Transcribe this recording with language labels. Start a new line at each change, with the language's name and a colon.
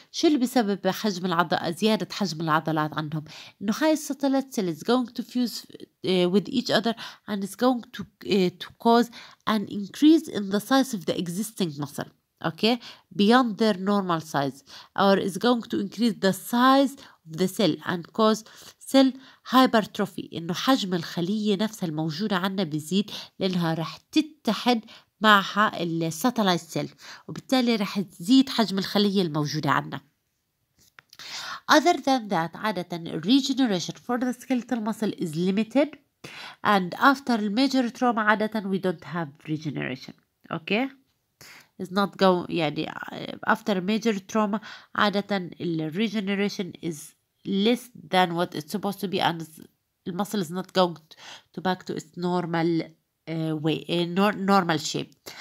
Arabic: شو اللي بسبب حجم زيادة حجم العضلات عندهم؟ إنه هاي الساتلايت سيل
English: is going to fuse with each other and is going to cause an increase in the size of the existing muscle. Okay, beyond their normal size or is going to increase the size of the cell and cause cell hypertrophy.
Arabic: إنه حجم الخلية نفسها الموجودة عنا بيزيد لأنها رح تتحد معها الساتلايت سيل وبالتالي رح تزيد حجم الخلية الموجودة عنا.
English: Other than that
Arabic: عادة
English: regeneration for the skeletal muscle is limited and after major trauma عادة we don't have regeneration. Okay, is not go
Arabic: يعني
English: after major trauma
Arabic: عادة
English: regeneration is less than what it's supposed to be and the muscle is not going to back to its normal way normal shape.